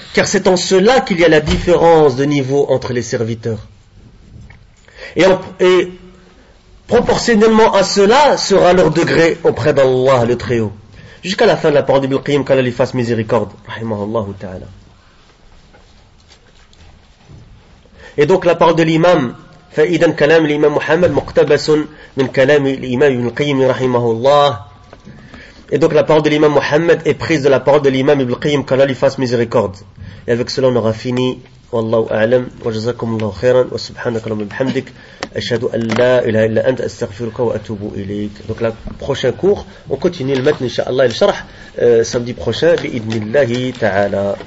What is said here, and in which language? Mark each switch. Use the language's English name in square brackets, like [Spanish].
[French] Car c'est en cela qu'il y a la différence de niveau entre les serviteurs. Et proportionnellement à cela sera leur degré auprès d'Allah le Très-Haut. Jusqu'à la fin de la parole d'Ibn Qayyim, qu'Allah lui fasse miséricorde, rahimahullah ta'ala. Et donc la parole de l'imam, [Arabic] فإذا كلام الإمام محمد مقتبس من كلام الإمام ابن القيم رحمه الله. [French] Et donc la parole de l'imam محمد est prise de la parole de l'imam ابن القيم, qu'Allah lui fasse miséricorde. Et avec cela on aura fini. [Arabic] والله أعلم وجزاكم الله خيرا وسبحانك اللهم وبحمدك أشهد أن لا إله إلا أنت أستغفرك وأتوب إليك. [French] Donc la prochain cours on continue le matin inshallah, le charh samedi prochain [Arabic] بإذن الله تعالى.